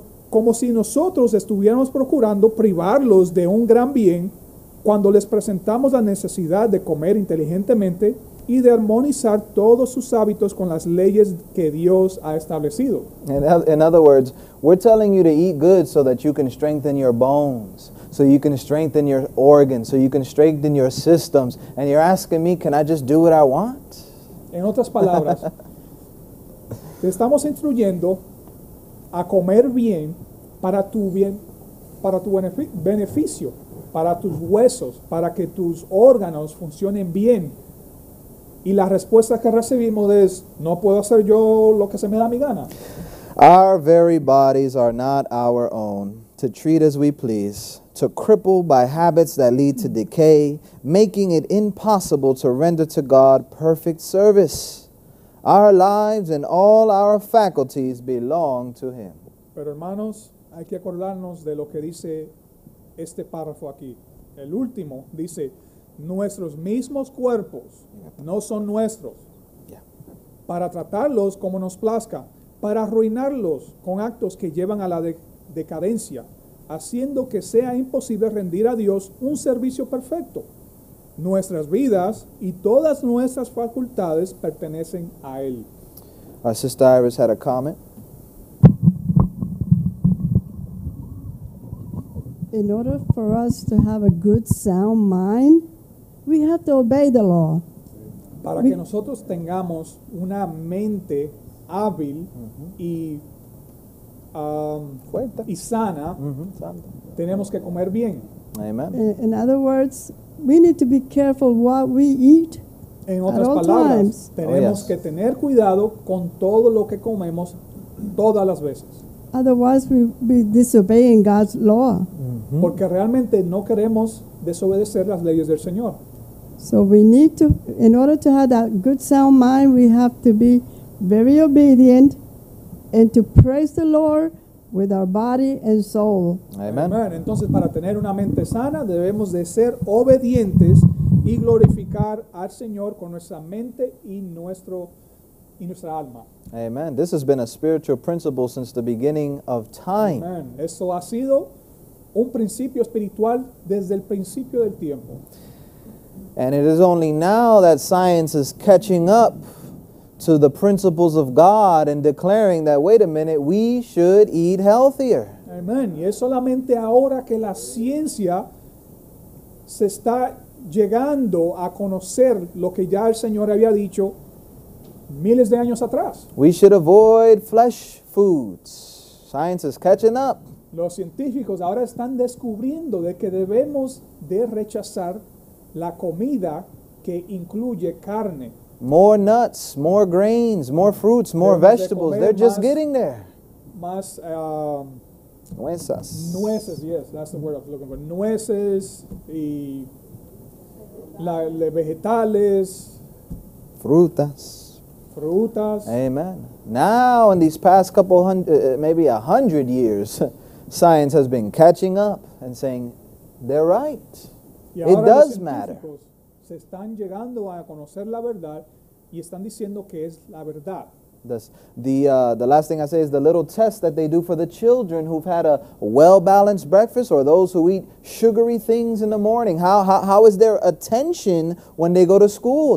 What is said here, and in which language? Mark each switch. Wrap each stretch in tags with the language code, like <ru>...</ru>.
<es>Como si nosotros estuviéramos procurando privarlos de un gran bien cuando les presentamos la necesidad de comer inteligentemente y de armonizar todos sus hábitos con las leyes que Dios ha establecido.</es> <en>In other words, we're telling you to eat good so that you can strengthen your bones, so you can strengthen your organs, so you can strengthen your systems, and you're asking me, can I just do what I want?</en> <es>En otras palabras, te estamos instruyendo a comer bien para tu bien, para tu beneficio, para tus huesos, para que tus órganos funcionen bien. Y la respuesta que recibimos es, no puedo hacer yo lo que se me da mi gana.</es> <en>Our very bodies are not our own, to treat as we please, to cripple by habits that lead to decay, making it impossible to render to God perfect service. Our lives and all our faculties belong to Him.</en> <es>Pero hermanos, hay que acordarnos de lo que dice este párrafo aquí. El último dice, nuestros mismos cuerpos no son nuestros.</es> <en>Yeah.</en> <es>Para tratarlos como nos plazca, para arruinarlos con actos que llevan a la decadencia, haciendo que sea imposible rendir a Dios un servicio perfecto. Nuestras vidas y todas nuestras facultades pertenecen a Él.</es> <en>Our sister Iris had a comment. In order for us to have a good sound mind, we have to obey the law.</en> <es>Para que nosotros tengamos una mente hábil y fuerte y sana, tenemos que comer bien.</es> <en>Amen. In other words, we need to be careful what we eat.</en> <es>En otras palabras, tenemos que tener cuidado con todo lo que comemos todas las veces.</es> <en>Otherwise, we'll be disobeying God's law.</en> <es>Porque realmente no queremos desobedecer las leyes del Señor.</es> <en>So we need to, in order to have that good sound mind, we have to be very obedient and to praise the Lord with our body and soul. Amen. Amen.</en> <es>Entonces, para tener una mente sana, debemos de ser obedientes y glorificar al Señor con nuestra mente y nuestro y nuestra alma.</es> <en>Amen. This has been a spiritual principle since the beginning of time. Amen.</en> <es>Eso ha sido un principio espiritual desde el principio del tiempo.</es> <en>And it is only now that science is catching up to the principles of God and declaring that, wait a minute, we should eat healthier. Amen.</en> <es>Y es solamente ahora que la ciencia se está llegando a conocer lo que ya el Señor había dicho miles de años atrás.</es> <en>We should avoid flesh foods. Science is catching up.</en> <es>Los científicos ahora están descubriendo de que debemos de rechazar la comida que incluye carne.</es> <en>More nuts, more grains, more fruits, more vegetables. They're just getting there.</en> <es>Más nueces.</es> <en>Nueces, yes, that's the word I'm looking for.</en> <es>Nueces y la vegetales. Frutas. Frutas.</es> <en>Amen. Now, in these past couple hundred, maybe 100 years, science has been catching up and saying, they're right. It does matter.</en> <es>Se están llegando a conocer la verdad y están diciendo que es la verdad.</es> <en>The last thing I say is the little test that they do for the children who've had a well-balanced breakfast or those who eat sugary things in the morning. How is their attention when they go to school?</en>